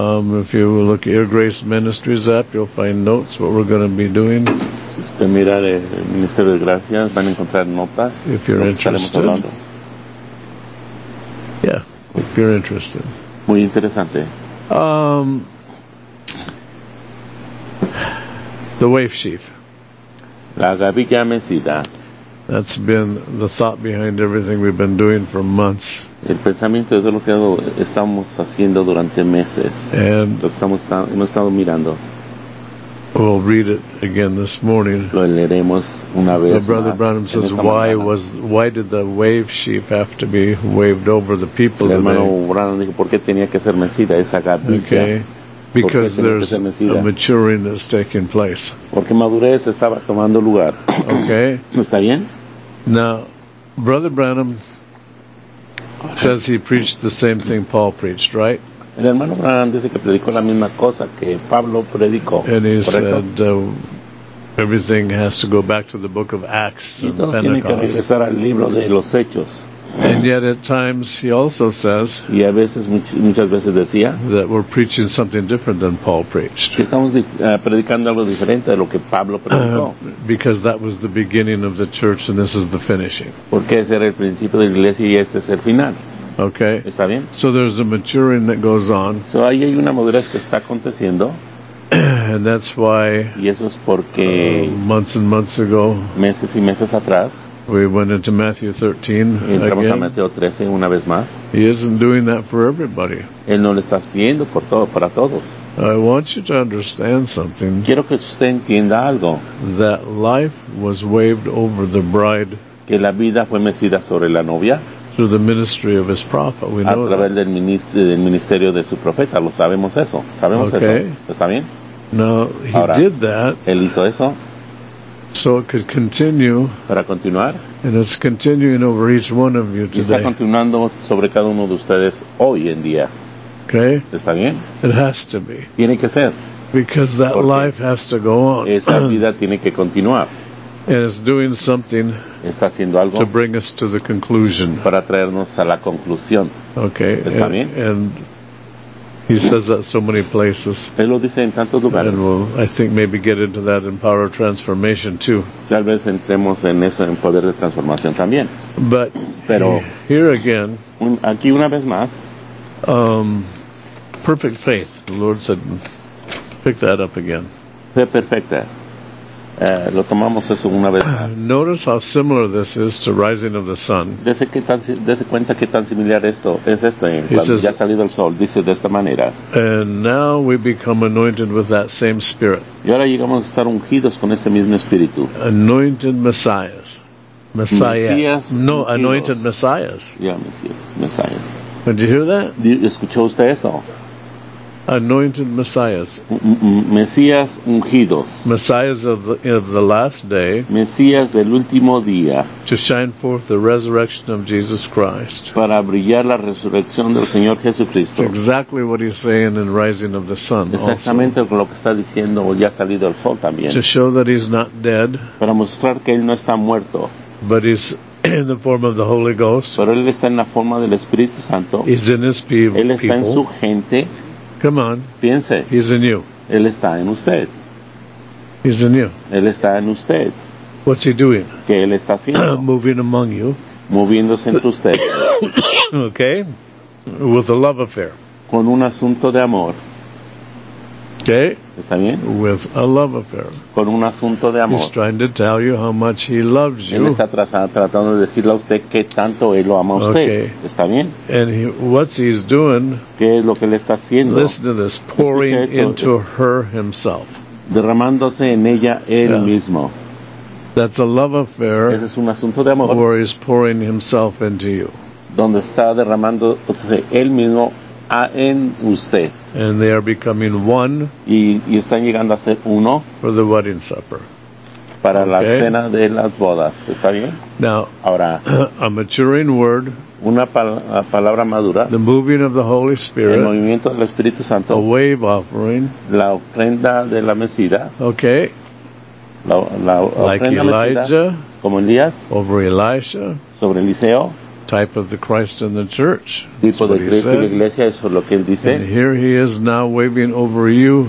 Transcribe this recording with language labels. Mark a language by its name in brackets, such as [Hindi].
[English] If you look at your Grace Ministries app, you'll find notes what we're going to be doing. [Spanish] Si usted mira el Ministerio de Gracias, van a encontrar notas. [English] If you're interested. Yeah, if you're interested. [Spanish] Muy interesante. [English] The Wave Sheaf. [Spanish] La gavilla mecida. [English] That's been the thought behind everything we've been doing for months. [Spanish] El pensamiento es de lo que estamos haciendo durante meses. [English] And [Spanish] lo que hemos estado mirando. [English] We'll read it again this morning. [Spanish] Lo leeremos una vez más. [English] Brother Branham says, why did the wave sheaf have to be waved over the people today? [Spanish] El hermano Branham dijo, ¿por qué tenía que ser mecida esa gavilla? [English] Okay. Because there's a maturing that's taking place. [Spanish] Porque madurez estaba tomando lugar. [English] Okay. [Spanish] ¿Está bien? [English] Now, Brother Branham says he preached the same thing Paul preached, right? [Spanish] El hermano Branham dice que predicó la misma cosa que Pablo predicó. [English] And he [Spanish] ¿correcto? [English] Said everything has to go back to the book of Acts [Spanish] y todo [English] and Pentecost. [Spanish] Tiene que regresar al libro de los Hechos. [English] And yet at times he also says [Spanish] y a veces, muchas veces decía, [English] that we're preaching something different than Paul preached. [Spanish] Que estamos predicando algo diferente de lo que Pablo predicó. Because that was the beginning of the church and this is the finishing. Porque ese era el principio de la iglesia y este es el final. [English] Okay. [Spanish] ¿Está bien? [English] So there's a maturing that goes on. So [Spanish] ahí hay una madurez que está aconteciendo. [English] And that's why. [Spanish] Y eso es porque. [English] Months and months ago. [Spanish] Meses y meses atrás. [English] We went into Matthew 13 [Spanish] entramos [English] again. [Spanish] A Mateo 13 una vez más. [English] He isn't doing that for everybody. [Spanish] Él no lo está haciendo por todo, para todos. [English] I want you to understand something. [Spanish] Quiero que usted entienda algo. [English] That life was waved over the bride. [Spanish] Que la vida fue mecida sobre la novia. [English] Through the ministry of his prophet, we [Spanish] a [English] know [Spanish] través [English] that. [Spanish] Del ministerio de su profeta, lo sabemos eso. Sabemos [English] okay. [Spanish] eso. ¿Está bien? [English] Now, he [Spanish] ahora, [English] did that. [Spanish] Él hizo eso. [English] So it could continue. [Spanish] Para continuar. [English] And it's continuing over each one of you today. [Spanish] Y está continuando sobre cada uno de ustedes hoy en día. [English] Okay. [Spanish] ¿Está bien? [English] It has to be. [Spanish] Tiene que ser. [English] Because that life has to go on. [Spanish] Esa vida tiene que continuar. [English] And it's doing something. [Spanish] Está haciendo algo. [English] To bring us to the conclusion. [Spanish] Para traernos a la conclusión. [English] Okay. [Spanish] ¿Está bien? [English] And he says that so many places. [Spanish] Él lo dice en tantos lugares. [English] And we'll, I think, maybe get into that in power of transformation too. [Spanish] Tal vez entremos en eso, en poder de transformación también. [English] But [Spanish] pero [English] here again, [Spanish] aquí una vez más, [English] perfect faith. The Lord said, pick that up again. [Spanish] Fe perfecta. Lo tomamos eso una vez más. Notice how similar this is to rising of the sun. Dese cuenta qué tan similar esto es esto en cuando ya ha salido el sol. Dice de esta manera. [English] And now we become anointed with that same spirit. [Spanish] Y ahora llegamos a estar ungidos con ese mismo espíritu. [English] Anointed Messiahs. Messiahs. [Spanish] No, ungidos. [English] Anointed Messiahs. Yeah, Messiahs. Did you hear that? [Spanish] ¿Escuchó usted eso? [English] Anointed Messiahs. [Spanish] Mesías ungidos. [English] Messiahs of the last day. [Spanish] Mesías del último día. [English] To shine forth the resurrection of Jesus Christ. [Spanish] Para brillar la resurrección del Señor Jesucristo. [English] That's exactly what he's saying in rising of the sun. [Spanish] Exactamente [English] also. [Spanish] Lo que está diciendo ya ha salido el sol también. [English] To show that he's not dead. [Spanish] Para mostrar que él no está muerto. [English] But he's in the form of the Holy Ghost. [Spanish] Pero él está en la forma del Espíritu Santo. [English] He's in his people. [Spanish] Él está en su gente. [English] Come on. [Spanish] Piense. [English] He's in you. [Spanish] Él está en usted. [English] He's in you. [Spanish] Él está en usted. [English] What's he doing? [Spanish] ¿Qué él está haciendo? [English] Moving among you. [Spanish] Moviéndose entre usted. [English] Okay. With a love affair. [Spanish] Con un asunto de amor. [English] Okay. [Spanish] ¿Está bien? [English] With a love affair. [Spanish] Con un asunto de amor. [English] He's trying to tell you how much he loves you. [Spanish] Él está tratando de decirle a usted qué tanto él lo ama a usted. [English] Okay. [Spanish] ¿Está bien? [English] And what he's doing. [Spanish] ¿Qué es lo que él está haciendo? [English] Listen to this. Pouring into her himself. [Spanish] Derramándose en ella él [English] yeah. [Spanish] mismo. [English] That's a love affair. [Spanish] Ese es un asunto de amor. [English] Where he's pouring himself into you. [Spanish] Donde está derramándose él mismo. En usted. [English] And they are becoming one. [Spanish] Y están llegando a ser uno. [English] For the wedding supper. [Spanish] Para [English] okay. [Spanish] la cena de las bodas. ¿Está bien? [English] Now, [Spanish] ahora, [English] a maturing word. [Spanish] Una palabra madura. [English] The moving of the Holy Spirit. [Spanish] El movimiento del Espíritu Santo. [English] A wave offering. [Spanish] La ofrenda de la mesida. [English] Okay. [Spanish] La ofrenda [English] like Elijah. [Spanish] Mesida, como Elías. [English] Over Elisha. [Spanish] Sobre Eliseo. [English] Type of the Christ in the church. [Spanish] Tipo de Cristo en la iglesia, eso es lo que él dice. [English] And here he is now waving over you.